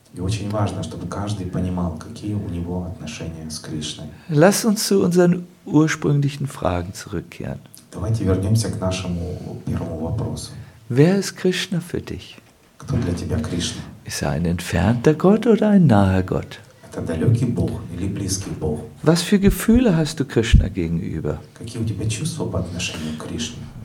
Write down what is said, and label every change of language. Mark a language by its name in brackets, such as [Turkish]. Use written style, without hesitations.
[Russian] И очень важно, чтобы каждый понимал, какие у него отношения с Кришной. [German] Lass uns zu unseren ursprünglichen Fragen zurückkehren. [Russian] Давайте вернемся к нашему первому вопросу. [German] Wer ist Krishna für dich? [Russian] Кто для тебя Кришна? [German] Ist ein entfernter Gott oder ein naher Gott? [Russian] Это далекий Бог или близкий Бог? [German] Was für Gefühle hast du Krishna gegenüber? [Russian] Какие у тебя чувства по отношению к Кришне?